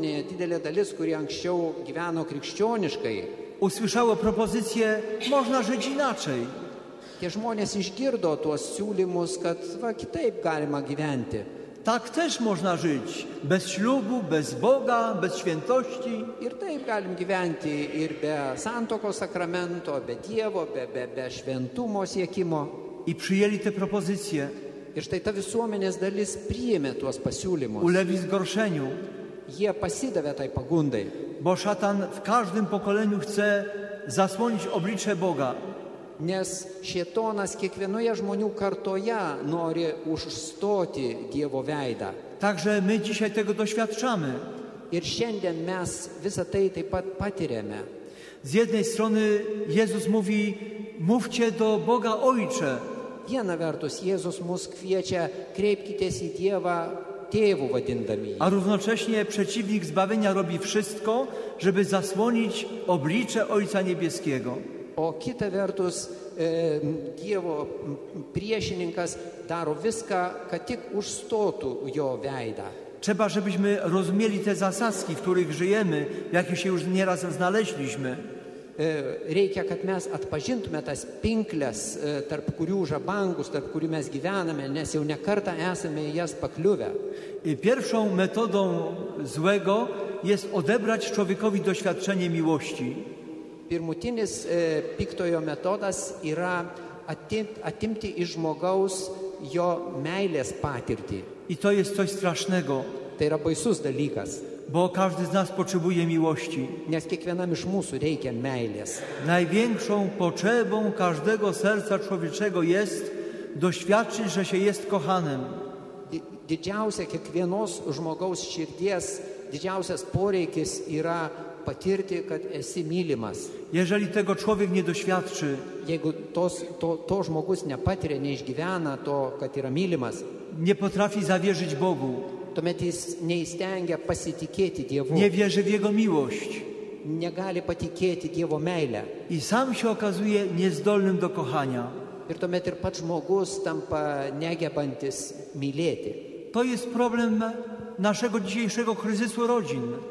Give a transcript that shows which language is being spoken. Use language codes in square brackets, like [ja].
[lt] didelė dalis, kurie anksčiau gyveno krikščioniškai, [pl] usłyszało propozycję, można żyć inaczej. [lt] Tie žmonės išgirdo tuos siūlymus, kad va, kitaip galima gyventi. [pl] Tak też można żyć, bez ślubu, bez Boga, bez świętości. [lt] Ir taip galim gyventi ir be santokos sakramento, be Dievo, be šventumo siekimo. [pl] I przyjęli te propozycje. [lt] Ir štai ta visuomenės dalis priėmė tuos pasiūlymus. [pl] Ulevi zgorszeniu. [lt] Jie pasidavė tai pagundai. [pl] Bo szatan w każdym pokoleniu chce zasłonić oblicze Boga. [lt] Nes Šėtonas kiekvienoje žmonių kartoje nori užstoti Dievo veidą. [pl] Także my dzisiaj tego doświadczamy. [lt] Ir šiandien mes visą tai taip pat patiriame. [pl] Z jednej strony Jezus mówi, mówcie do Boga Ojcze. [lt] Viena vertus, Jėzus mus kviečia, kreipkitės į Dievą tėvų vadindami. [pl] A równocześnie przeciwnik zbawienia robi wszystko, żeby zasłonić oblicze Ojca Niebieskiego. [lt] O kita vertus, Dievo priešininkas daro viską, kad tik užstotų jo veidą. [pl] Trzeba, żebyśmy rozumieli te zasadzki, w których żyjemy, w jakich się już nieraz znaleźliśmy. [lt] Reikia, kad mes atpažintume tas pinkles, tarp kurių žabangus, tarp kurių mes gyvename, nes jau ne kartą esame jas pakliuvę. [pl] I pierwszą metodą złego jest odebrać człowiekowi doświadczenie miłości. [lt] Pirmutinis piktojo metodas yra atimti iš žmogaus jo meilės patirtį. [pl] I to jest coś strasznego. [lt] Tai yra baisus dalykas. [pl] Bo każdy z nas potrzebuje miłości. [lt] Nes kiekvienam iš mūsų reikia meilės. [pl] Największą potrzebą każdego serca człowieczego jest doświadczyć, że się jest kochanym. [lt] Didžiausia kiekvienos žmogaus širdies, didžiausias poreikis yra patirti, kad esi mylimas. [pl] Jeżeli tego człowiek nie doświadczy, [lt] jeigu to žmogus nepatiria, neišgyvena to, kad yra mylimas, [pl] nie potrafi zawierzyć Bogu, [lt] tuomet jis neįstengia pasitikėti Dievu, [pl] nevieži v Jego miłość, [lt] negali patikėti Dievo meilę, [pl] i sam się okazuje niezdolnym do kochania. [lt] Ir tuomet ir pats žmogus tampa negebantis mylėti. [pl] To jest problem naszego dzisiejszego kryzysu rodzin.